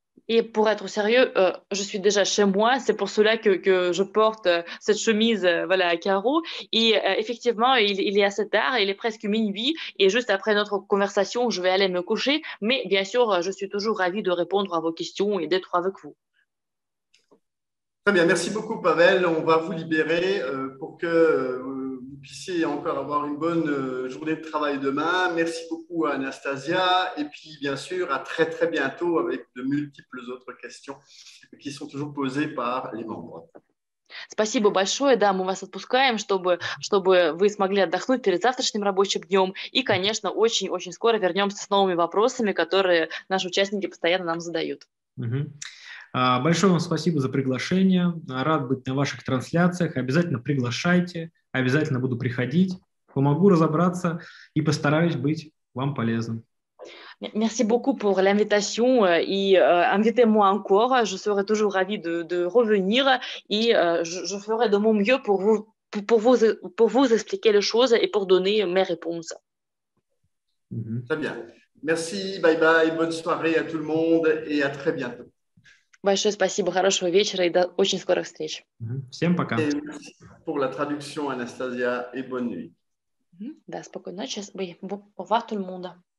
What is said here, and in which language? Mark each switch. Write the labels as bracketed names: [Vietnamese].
[French] И pour être sérieux, je suis déjà chez moi. C'est pour cela que je porte cette chemise, voilà, à carreaux. И effectivement, il est assez tard. Il est presque minuit. Et juste après notre conversation, je vais aller me coucher. Mais bien sûr, je suis toujours ravie de répondre à vos questions et d'être avec vous. Très bien, merci beaucoup, Pavel. On va vous libérer pour que vous puissiez encore avoir une bonne journée de travail demain. Merci beaucoup à Anastasia. Et puis, bien sûr, à très, très bientôt avec de multiples autres questions qui sont toujours posées par les membres. [Russian] Спасибо большое. Да, мы вас отпускаем, чтобы вы смогли отдохнуть перед завтрашним рабочим днем. И, конечно, очень-очень скоро вернемся с новыми вопросами, которые наши участники постоянно нам задают. Угу. Большое вам спасибо за приглашение. Рад быть на ваших трансляциях. Обязательно приглашайте. Обязательно буду приходить. Помогу разобраться и постараюсь быть вам полезным. [French] Merci beaucoup pour l'invitation et invitez-moi encore. Je serai toujours ravie de revenir et je ferai de mon mieux pour vous expliquer les choses et pour donner mes réponses. Mm-hmm. Très bien. Merci, bye bye, bonne soirée à tout le monde et à très bientôt. [Russian] Большое спасибо, хорошего вечера и до очень скорых встреч. Mm-hmm. Всем пока. [French] Et merci pour la traduction, Anastasia, et bonne nuit. [Russian] Mm-hmm. Да, спокойной ночи. [French] Au revoir tout le monde.